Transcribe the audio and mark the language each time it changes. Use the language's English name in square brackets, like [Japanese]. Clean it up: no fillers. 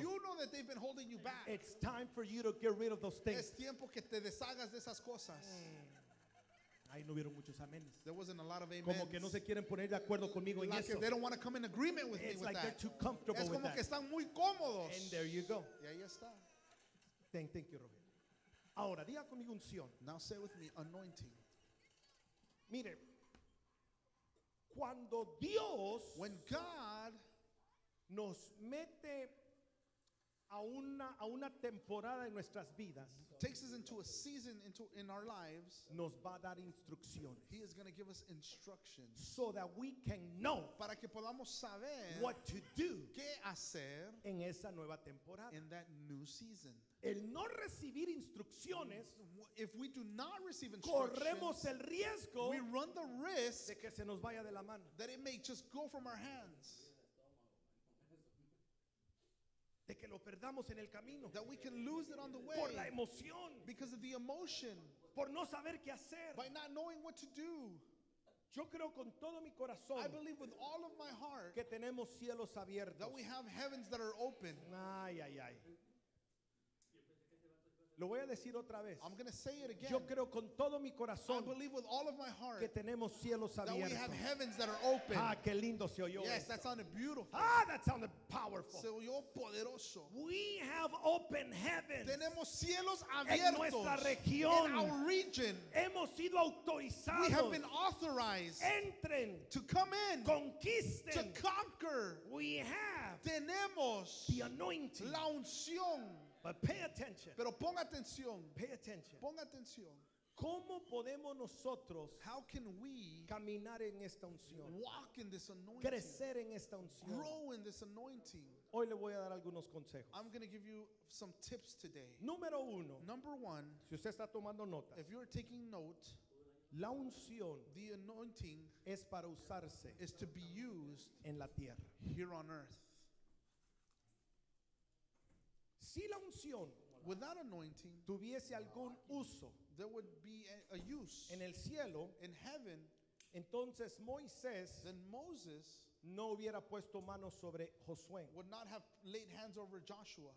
[English] You know that they've been holding you back. It's time for you to get rid of those things. [Spanish] Es tiempo que te deshagas de esas cosas. Ahí no hubieron muchos amenes. [English] There wasn't a lot of amens. [Spanish] Como que no se quieren poner de acuerdo conmigo [English] like [Spanish] en eso. [English] Like they don't want to come in agreement with It's me with like that. They're too comfortable [Spanish] es como [English] with that. [Spanish] Que están muy cómodos. [English] And there you go. [Spanish] Y ahí está. [English] Thank you, Robert. [Spanish] Ahora, diga conmigo unción. [English] Now say with me anointing. [Spanish] Mire, cuando Dios [English] when God [Spanish] nos mete a una temporada en nuestras vidas, [English] takes us into a season in our lives, [Spanish] nos va a dar instrucciones. [English] He is going to give us instructions so that we can know, [Spanish] para que podamos saber [English] what to do, [Spanish] qué hacer en esa nueva temporada, [English] in that new season. [Spanish] El no recibir instrucciones, [English] if we do not receive instructions, [Spanish] corremos el riesgo, [English] we run the risk, [Spanish] de que se nos vaya de la mano, [English] that it may just go from our hands, [Spanish] de que lo perdamos en el camino, [English] that we can lose it on the way, [Spanish] por la emoción, [English] because of the emotion, [Spanish] por no saber qué hacer, [English] by not knowing what to do. [Spanish] Yo creo con todo mi corazón, [English] I believe with all of my heart, [Spanish] que tenemos cielos abiertos, [English] that we have heavens that are open. Ay, ay, ay. [Spanish] Lo voy a decir otra vez. [English] I'm going to say it again. [Spanish] Yo creo con todo mi corazón, [English] I believe with all of my heart, [Spanish] que tenemos cielos abiertos, [English] that we have heavens that are open. [Spanish] Ah, qué lindo se oyó. [English] Yes, [Spanish] esto. [English] That sounded beautiful. Ah, that sounded powerful. [Spanish] Se oyó poderoso. [English] We have open heavens. [Spanish] Tenemos cielos abiertos en nuestra región. [English] In our region. [Spanish] Hemos sido autorizados. [English] We have been authorized. [Spanish] Entren. [English] To come in. [Spanish] Conquisten. [English] To conquer. We have. [Spanish] Tenemos. [English] The anointing. [Spanish] La unción. [English] But pay attention. [Spanish] Pero ponga atención. [English] Pay attention. [Spanish] Ponga atención. ¿Cómo podemos nosotros, [English] how can we, [Spanish] caminar en esta unción? [English] Walk in this anointing. [Spanish] Crecer en esta unción. [English] Grow in this anointing. [Spanish] Hoy le voy a dar algunos consejos. [English] I'm going to give you some tips today. [Spanish] Número uno. [English] Number one. [Spanish] Si usted está tomando notas. [English] If you're taking note. [Spanish] La unción, [English] the anointing, [Spanish] es para usarse, [English] is to be used, [Spanish] en la tierra, [English] here on earth. [Spanish] Si la unción, [English] without anointing, [Spanish] tuviese algún uso, [English] there would be a use, [Spanish] en el cielo, [English] in heaven, [Spanish] entonces Moisés, [English] then Moses, [Spanish] no hubiera puesto manos sobre Josué, [English] would not have laid hands over Joshua.